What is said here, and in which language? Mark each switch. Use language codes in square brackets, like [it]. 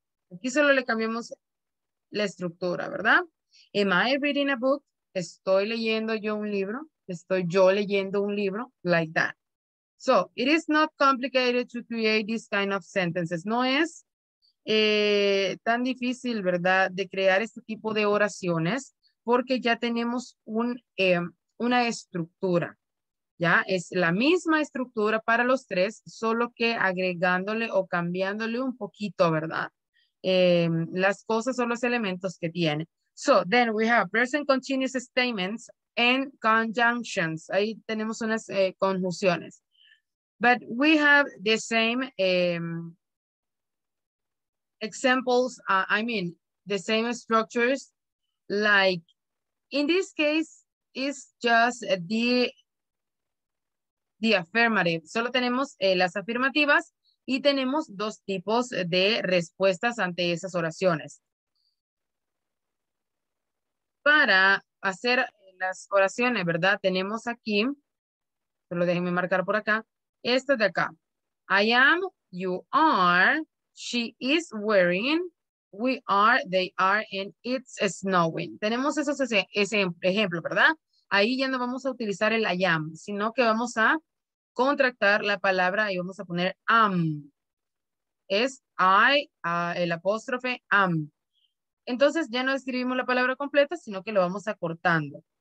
[es] Aquí solo le cambiamos la estructura, ¿verdad? [en] Am I reading a book? [es] ¿Estoy leyendo yo un libro? ¿Estoy yo leyendo un libro? [en] Like that. So, it is not complicated to create this kind of sentences. [es] No es tan difícil, ¿verdad?, de crear este tipo de oraciones porque ya tenemos una estructura, ¿ya? Es la misma estructura para los tres, solo que agregándole o cambiándole un poquito, ¿verdad?, las cosas o los elementos que tiene. [en] So, then we have present continuous statements and conjunctions. [es] Ahí tenemos unas conjunciones. [en] But we have the same examples, I mean, the same structures, like in this case, it's just the affirmative. [es] Solo tenemos las afirmativas y tenemos dos tipos de respuestas ante esas oraciones. Para hacer las oraciones, ¿verdad? Tenemos aquí, solo déjenme marcar por acá, esta de acá. [en] I am, you are, she is wearing, we are, they are, and it's snowing. [es] Tenemos esos ejemplo, ¿verdad? Ahí ya no vamos a utilizar el I am, sino que vamos a contractar la palabra y vamos a poner am. Es I, el apóstrofe, am. Entonces ya no escribimos la palabra completa, sino que lo vamos acortando.